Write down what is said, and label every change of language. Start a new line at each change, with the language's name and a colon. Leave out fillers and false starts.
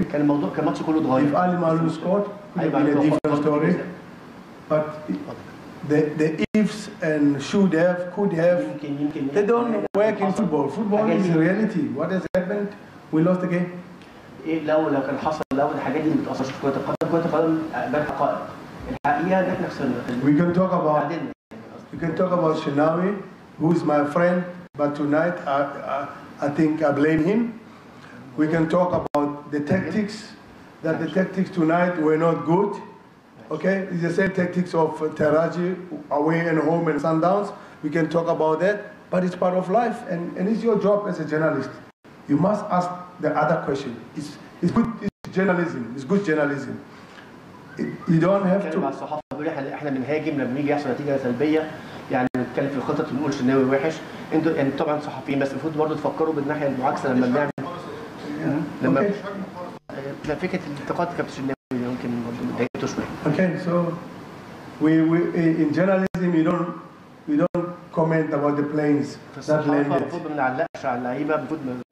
English: If Ali Malou scored, it could have been a different story. But the ifs and should have, could have, they don't work in football. Football is reality. What has happened? We lost the game.
Arabic: ايه لو كان حصل لو الحاجات دي ما بتأثرش في كرة القدم بل حقائق الحقيقة ان احنا خسرنا.
English: We can talk about Shenawy who is my friend but tonight I think I blame him. We can talk about the tactics that the tactics tonight were not good. Okay, it's the same tactics of Taraji away and home and Sundowns. We can talk about that, but it's part of life and it's your job as a journalist. You must ask the other question. It's good. It's journalism. It's good journalism. You don't have to.
Arabic: مع الصحافة بيقول احنا بنهاجم لما بيجي يحصل نتيجة سلبية يعني نتكلم في الخطط ونقول شناوي وحش. انتوا يعني طبعا صحفيين بس المفروض برضه تفكروا بالناحية المعاكسة لما بنعمل لما لا فكرة انتقاد كابتن شناوي ممكن ضايقته شوية.
English: Okay, so we in journalism you don't comment about the planes that landed.
Arabic: الصحافة المفروض ما نعلقش على اللعيبة المفروض